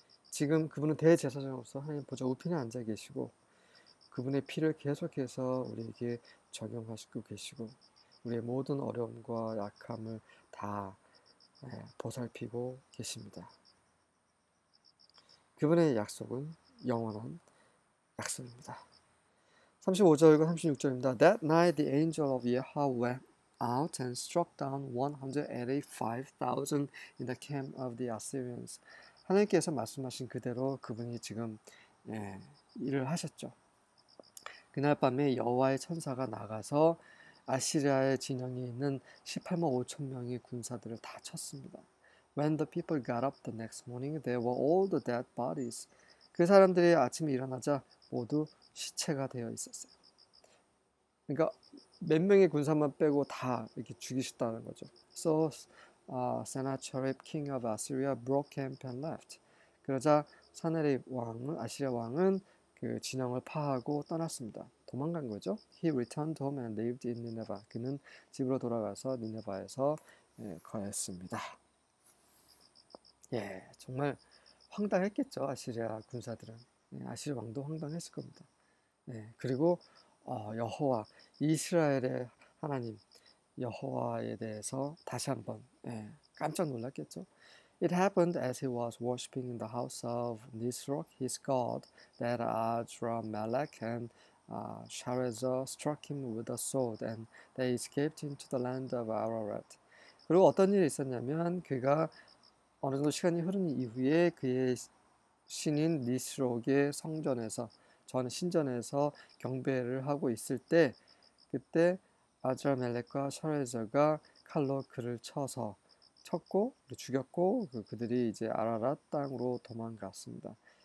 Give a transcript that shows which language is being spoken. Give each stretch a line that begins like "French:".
Korean: 지금 그분은 대제사장으로서 하나님 보좌 우편에 앉아 계시고 그분의 피를 계속해서 우리에게 적용하시고 계시고 우리의 모든 어려움과 약함을 다 보살피고 계십니다. 그분의 약속은 영원한 약속입니다. 35절과 36절입니다.
English: That night the angel of Yahweh went out and struck down 185,000 in the camp of the Assyrians.
Korean: 하나님께서 말씀하신 그대로 그분이 지금 일을 하셨죠. 그날 밤에 여호와의 천사가 나가서 아시리아의 진영에 있는 18만 5천 명의 군사들을 다 쳤습니다.
English: When the people got up the next morning, there were all the dead bodies.
Korean: 그 사람들이 아침에 일어나자 모두 시체가 되어 있었어요. 그러니까 몇 명의 군사만 빼고 다 이렇게 죽이셨다는 거죠.
English: So Sennacherib, king of Assyria, broke camp and left.
Korean: 그러자 산헤립 왕은 아시리아 왕은 그 진영을 파하고 떠났습니다. 도망간 거죠.
English: He returned home and lived in Nineveh.
Korean: 그는 집으로 돌아가서 니네바에서 거했습니다. 예, 정말 황당했겠죠. 아시리아 군사들은. 아시리아 왕도 황당했을 겁니다. 예, 그리고 여호와, 이스라엘의 하나님, 여호와에 대해서 다시 한번 깜짝 놀랐겠죠.
English: It happened as he was worshipping in the house of Nisroch, his god, that Adrammelech and Sharezer struck him with a sword, and they escaped into the land of Ararat.
Korean: 그리고 어떤 일이 있었냐면 그가 어느 정도 시간이 흐른 이후에 그의 신인 니스록의 성전에서 전 신전에서 경배를 하고 있을 때 그때 아드라멜렉과 샤레저가 칼로 그를 쳐서 쳤고 죽였고 그들이 이제 아라랏 땅으로 도망갔습니다.